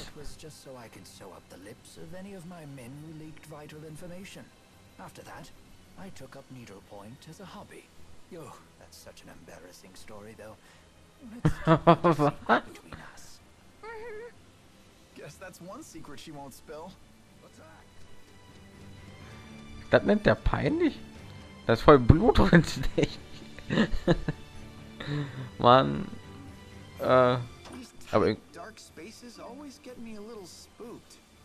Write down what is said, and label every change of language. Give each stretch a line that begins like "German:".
English: It was just so I could sew up the lips of any of my men who leaked vital information. After that, I took up needlepoint as a hobby. Yo, that's such an embarrassing story, though. Let's between us. Guess that's one secret she won't spill. What's that?
German: Das nennt der peinlich? Da ist voll Blut drin, nicht? Mann. Aber
English: Dark Spaces always get me a little spooked.